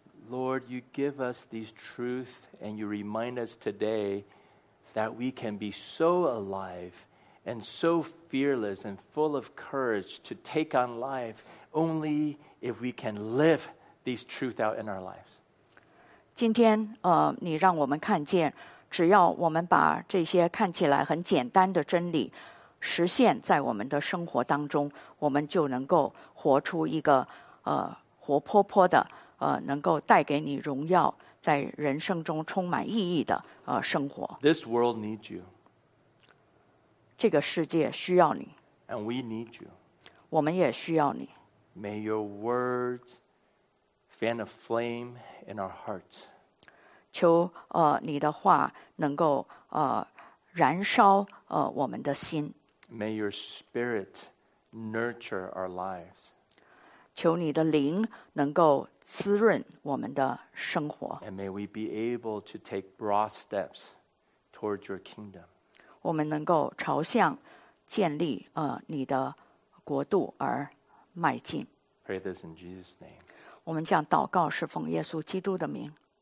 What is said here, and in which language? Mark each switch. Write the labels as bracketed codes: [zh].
[en] Lord, you give us these truths and you remind us today that we can be so alive and so fearless and full of courage to take on life only if we can live these truths out in our lives. [zh] 今天你让我们看见只要我们把这些看起来很简单的真理实现在我们的生活当中我们就能够活出一个活泼泼的能够带给你荣耀在人生中充满意义的生活。 [en] This world needs you. [zh] 这个世界需要你。 [en] And we need you. [zh] 我们也需要你。 [en] May your words fan a flame in our hearts. [zh] 求你的话能够燃烧我们的心。 [en] May your spirit nurture our lives. [zh] 求你的灵能够滋润我们的生活。 [en] And may we be able to take broad steps towards your kingdom. [zh] 我们能够朝向建立你的国度而迈进。 [en] Pray this in Jesus' name. [zh] 我们将祷告是奉耶稣基督的名。